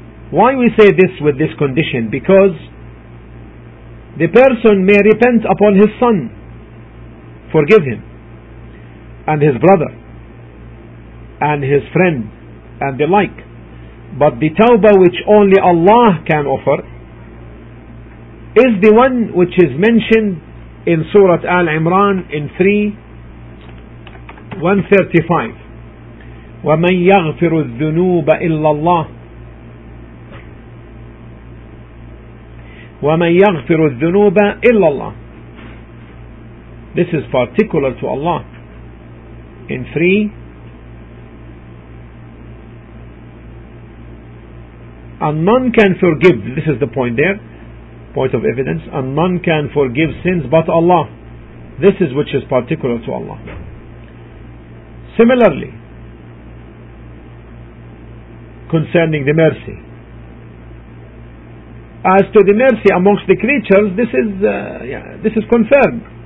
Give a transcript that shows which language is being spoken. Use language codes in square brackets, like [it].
[en] Why we say this with this condition? Because the person may repent upon his son, forgive him, and his brother, and his friend, and the like. But the tawbah which only Allah can offer is the one which is mentioned in Surah Al-Imran in 3:135. [ar] وَمَنْ يَغْفِرُ الذُّنُوبَ إِلَّا اللَّهِ وَمَنْ يَغْفِرُ الذُّنُوبَ إِلَّا اللَّهِ. [en] This is particular to Allah in 3. And none can forgive, this is the point there, point of evidence, and none can forgive sins but Allah. This is which is particular to Allah. Similarly, concerning the mercy, as to the mercy amongst the creatures, this is confirmed.